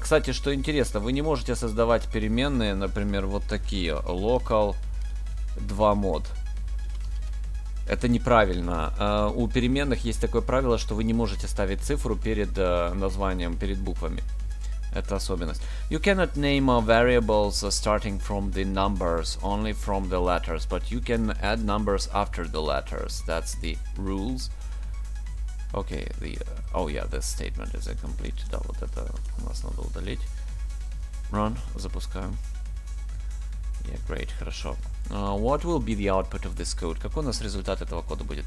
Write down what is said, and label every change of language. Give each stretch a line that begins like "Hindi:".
Russian: Кстати, что интересно, вы не можете создавать переменные, например, вот такие. Local 2 mod. Это неправильно. У переменных есть такое правило, что вы не можете ставить цифру перед названием, перед буквами. Это особенность.
English: You cannot name variables starting from the numbers, only from the letters, but you can add numbers after the letters. That's the rules. Окей, okay, oh yeah, this statement is incomplete.
Russian: Да, вот это у нас надо удалить.
English: Run,
Russian: запускаем.
English: Yeah, great,
Russian: хорошо.
English: What will be the output of this code?
Russian: Какой у нас результат этого кода будет?